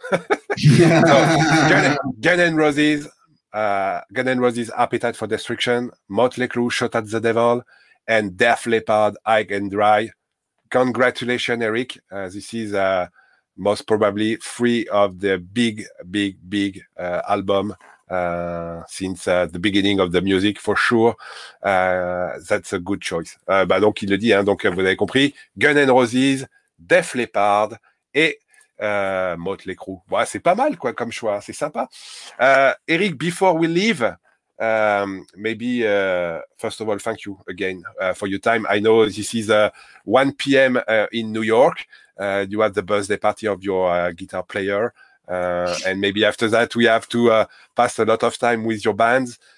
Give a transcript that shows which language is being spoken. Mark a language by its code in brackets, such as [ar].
[en] So, Guns N' Roses, Appetite for Destruction, Motley Crue, Shot at the Devil, and Def Leppard, High and Dry. Congratulations, Eric. This is most probably three of the big album since the beginning of the music, for sure. That's a good choice. [fr] Bah, donc, il le dit, hein, donc vous avez compris. Guns N' Roses, Def Leppard et Motley Crue. Ouais, c'est pas mal quoi comme choix, c'est sympa. [en] Eric, before we leave, maybe first of all, thank you again for your time. I know this is 1 p.m. In New York. You had the birthday party of your guitar player. And maybe after that, we have to pass a lot of time with your bands.